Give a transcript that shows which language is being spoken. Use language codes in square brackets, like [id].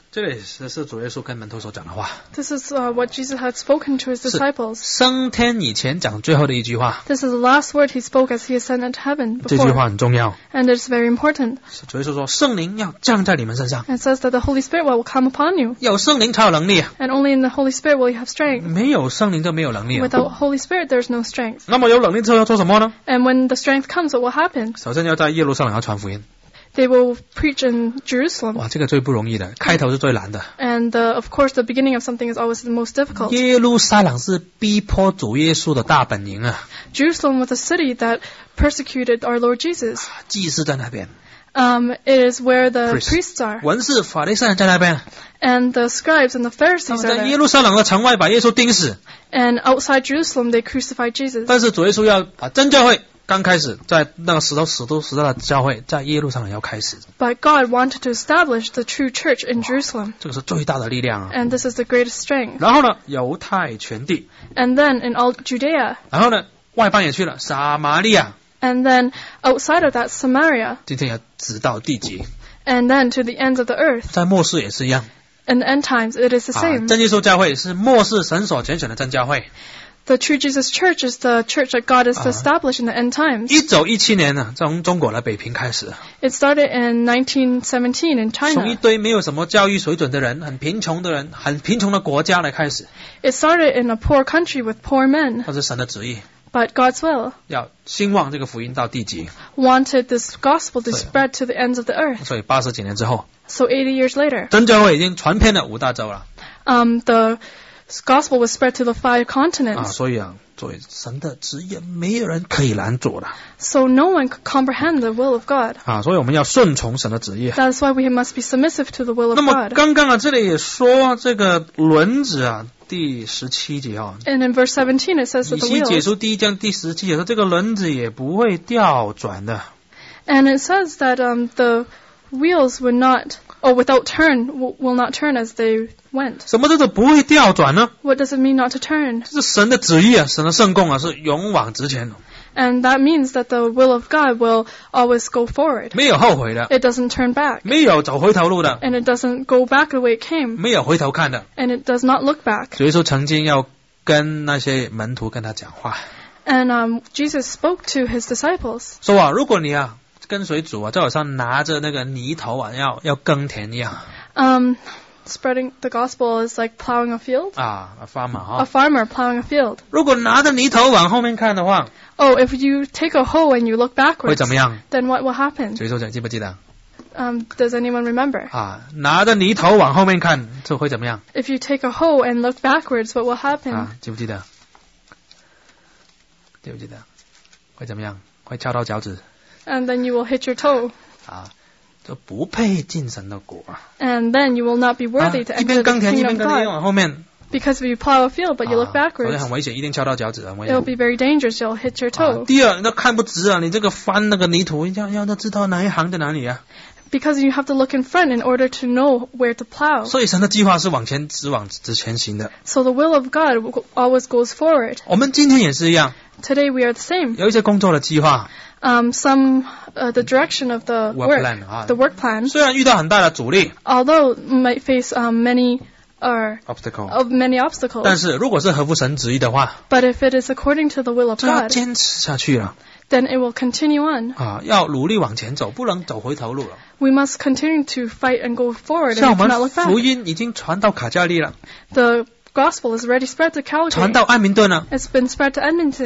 [zh] 这里是主耶稣跟门徒所讲的话。 [en] This is what Jesus had spoken to his disciples. [zh] 升天以前讲最后的一句话。 [en] This is the last word he spoke as he ascended to heaven. [zh] 这句话很重要。 [en] And it's very important. [zh] 主耶稣说圣灵要降在你们身上。 [en] It says that the Holy Spirit will come upon you. [zh] 有圣灵才有能力。 [en] And only in the Holy Spirit will you have strength. [zh] 没有圣灵就没有能力。 [en] Without Holy Spirit, there's no strength. [zh] 那么有能力之后要做什么呢？ [en] And when the strength comes, what will happen? [zh] 首先要在耶路撒冷要传福音。 [en] They will preach in Jerusalem. [zh] 哇，这个最不容易的，开头是最难的。 [en] And of course, the beginning of something is always the most difficult. [zh] 耶路撒冷是逼迫主耶稣的大本营啊。 [en] Jerusalem was a city that persecuted our Lord Jesus. [zh] 祭司在那边。 [en] It is where the priests are. [zh] 文士、法利赛人在那边。 [en] And the scribes and the Pharisees are there. [zh] 在耶路撒冷的城外把耶稣钉死。 [en] And outside Jerusalem, they crucified Jesus. [zh] 但是主耶稣要把真教会。刚开始在那个使徒时代的教会在耶路撒冷要开始。 [en] But God wanted to establish the true church in Jerusalem. [zh] 这个是最大的力量啊。 [en] And this is the greatest strength. [zh] 然后呢犹太全地。 [en] And then in all Judea. [zh] 然后呢外邦也去了撒玛利亚。 [en] And then outside of that Samaria. [zh] 今天要直到地极。 [en] And then to the ends of the earth. [zh] 在末世也是一样。 [en] In the end times, it is the same. [zh] 真耶稣教会是末世神所拣选的真教会。 [en] The true Jesus Church is the church that God has established in the end times. [zh] 1917年呢，从中国的北平开始。 [en] It started in 1917 in China. [zh] 从一堆没有什么教育水准的人，很贫穷的人，很贫穷的国家来开始。 [en] It started in a poor country with poor men. [zh] 那是神的旨意。 [en] But God's will. [zh] 要兴旺这个福音到地极。 [en] Wanted this gospel to spread to the ends of the earth. [zh] 所以八十几年之后。 [en] So 80 years later. [zh] 真教会已经传遍了五大洲了。 [en] The Gospel was spread to the five continents. [zh] 啊，所以啊，作为神的旨意，没有人可以拦阻的。 [en] So no one could comprehend the will of God. [zh] 啊，所以我们要顺从神的旨意。 [en] That's why we must be submissive to the will of God. [zh] 那么刚刚啊，这里也说这个轮子啊，第十七节啊。 [en] And in verse 17 it says the wheels. [zh] 以西结书第一章第十七节说，这个轮子也不会调转的。 [en] And it says that the wheels would not. Or without turn, will not turn as they went. [zh] 什么叫做不会调转呢？ [en] What does it mean not to turn? [zh] 这是神的旨意啊，神的圣供啊，是勇往直前。 [en] And that means that the will of God will always go forward. [zh] 没有后悔的。 [en] It doesn't turn back. [zh] 没有走回头路的。 [en] And it doesn't go back the way it came. [zh] 没有回头看的。 [en] And it does not look back. [zh] 所以说曾经要跟那些门徒跟他讲话。 [en] And Jesus spoke to his disciples. [zh] 说啊，如果你啊。跟随主啊，就好像拿着那个泥头啊，要耕田一样。 [en] spreading the gospel is like plowing a field. 啊, a farmer. A farmer plowing a field. [zh] 如果拿着泥头往后面看的话, [en] oh, if you take a hole and you look backwards, [zh] 会怎么样? [en] Then what will happen? [zh] 举手者记不记得? [en] Does anyone remember? [zh] 啊, 拿着泥头往后面看, 就会怎么样? [en] If you take a hole and look backwards, what will happen? [zh] 啊, 记不记得? 记不记得?会怎么样?会敲到脚趾? [en] And then you will hit your toe. [zh] 啊就不配进神的国。 [en] And then you will not be worthy to enter the kingdom of God. [zh] 一边耕田，一边往后面。 [en] Because if you plow a field, but you look backwards, [zh] 好像很危险，一定敲到脚趾，很危险。 [en] It will be very dangerous. You'll hit your toe. [zh] 第二，那看不直啊！你这个翻那个泥土，要知道哪一行在哪里啊 [en] ？Because you have to look in front in order to know where to plow. [zh] 所以神的计划是往前直往直前行的。 [en] So the will of God always goes forward. [zh] 我们今天也是一样。 [en] Today we are the same. [zh] 有一些工作的计划。 [en] The direction of the work plan, the work plan. [zh] 虽然遇到很大的阻力 [en] although might face many obstacles. [zh] 但是如果是合乎神旨意的话 [en] but if it is according to the will of God, [zh] 就要坚持下去了 [en] then it will continue on. [zh] 啊，要努力往前走，不能走回头路了。 [en] We must continue to fight and go forward and cannot look back. [zh] 像我们福音已经传到卡加利了。 [en] The gospel is already spread to Calgary. [zh] 传到安明顿了。 [en] It's been spread to Edmonton.